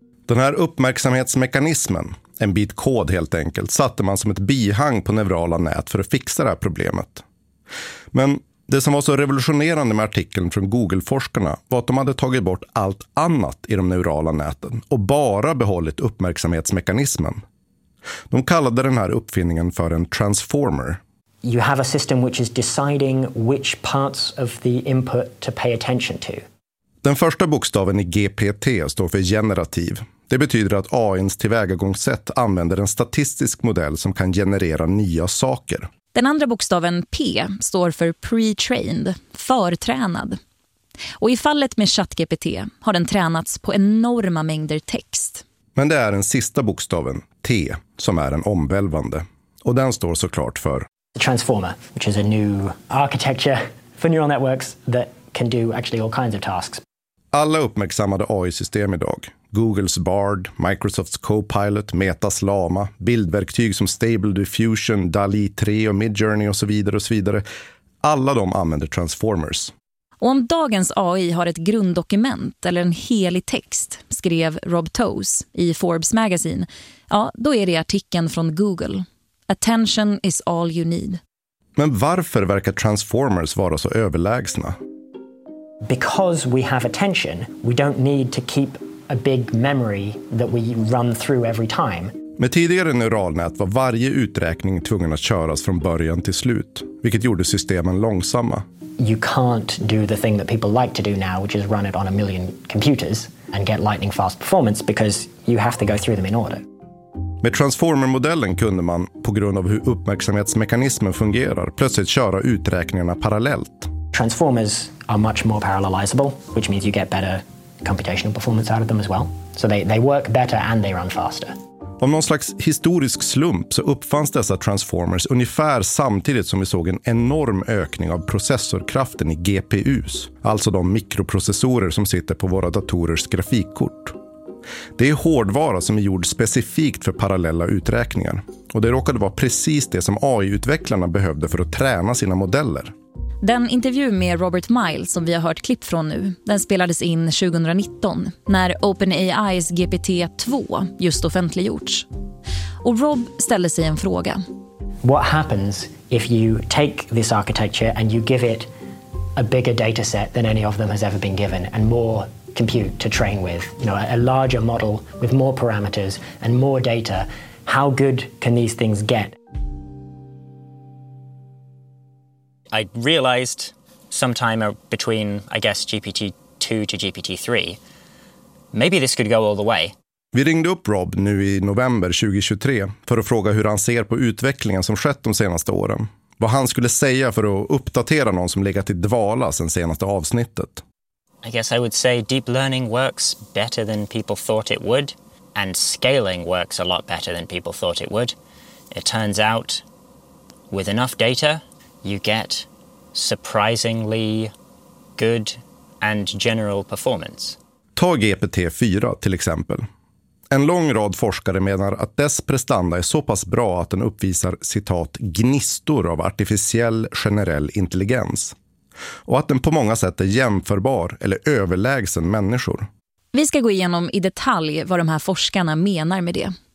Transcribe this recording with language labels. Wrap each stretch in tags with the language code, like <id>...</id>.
<sv>Den här uppmärksamhetsmekanismen, en bit kod helt enkelt, satte man som ett bihang på neurala nät för att fixa det här problemet. Men det som var så revolutionerande med artikeln från Google-forskarna var att de hade tagit bort allt annat i de neurala näten och bara behållit uppmärksamhetsmekanismen. De kallade den här uppfinningen för en transformer.</sv> <en>You have a system which is deciding which parts of the input to pay attention to.</en> <sv>Den första bokstaven i GPT står för generativ. Det betyder att AI:s tillvägagångssätt använder en statistisk modell som kan generera nya saker. Den andra bokstaven P står för pre-trained, förtränad. Och i fallet med ChatGPT har den tränats på enorma mängder text. Men det är den sista bokstaven, T, som är en omvälvande. Och den står såklart för</sv> <en>the transformer, which is a new architecture for neural networks that can do actually all kinds of tasks.</en> <sv>Alla uppmärksammade AI-system idag, Googles Bard, Microsofts Copilot, Metas Llama, bildverktyg som Stable Diffusion, DALL-E 3 och Midjourney och så vidare, alla de använder transformers. Och om dagens AI har ett grunddokument eller en helig text, skrev Rob Toese i Forbes magazine, ja, då är det artikeln från Google.</sv> <en>Attention is all you need.</en> <sv>Men varför verkar transformers vara så överlägsna?</sv> <en>Because we have attention, we don't need to keep a big memory that we run through every time.</en> <sv>Med tidigare neuralnät var varje uträkning tvungen att köras från början till slut, vilket gjorde systemen långsamma.</sv> <en>You can't do the thing that people like to do now, which is run it on a million computers and get lightning fast performance, because you have to go through them in order.</en> <sv>Med transformermodellen kunde man, på grund av hur uppmärksamhetsmekanismen fungerar, plötsligt köra uträkningarna parallellt.</sv> <en>Transformers are much more parallelizable, which means you get better computational performance out of them as well. So they work better and they run faster.</en> <sv>Av någon slags historisk slump så uppfanns dessa transformers ungefär samtidigt som vi såg en enorm ökning av processorkraften i GPUs, alltså de mikroprocessorer som sitter på våra datorers grafikkort. Det är hårdvara som är gjord specifikt för parallella uträkningar, och det råkade vara precis det som AI-utvecklarna behövde för att träna sina modeller. Den intervju med Robert Miles som vi har hört klipp från nu, den spelades in 2019 när OpenAI:s GPT-2 just offentliggjorts. Och Rob ställde sig en fråga.</sv> <en>What happens if you take this architecture and you give it a bigger dataset than any of them has ever been given and more compute to train with, you know, a larger model with more parameters and more data, how good can these things get? I realized sometime between, I guess, GPT-2 to GPT-3, maybe this could go all the way.</en> <sv>Vi ringde upp Rob nu i november 2023 för att fråga hur han ser på utvecklingen som skett de senaste åren. Vad han skulle säga för att uppdatera någon som legat i dvala sen senaste avsnittet.</sv> <en>I guess I would say deep learning works better than people thought it would, and scaling works a lot better than people thought it would. It turns out, with enough data, you get surprisingly good and general performance.</en> <sv>Ta GPT-4 till exempel. En lång rad forskare menar att dess prestanda är så pass bra att den uppvisar, citat, gnistor av artificiell generell intelligens. Och att den på många sätt är jämförbar eller överlägsen människor. Vi ska gå igenom i detalj vad de här forskarna menar med det.</sv>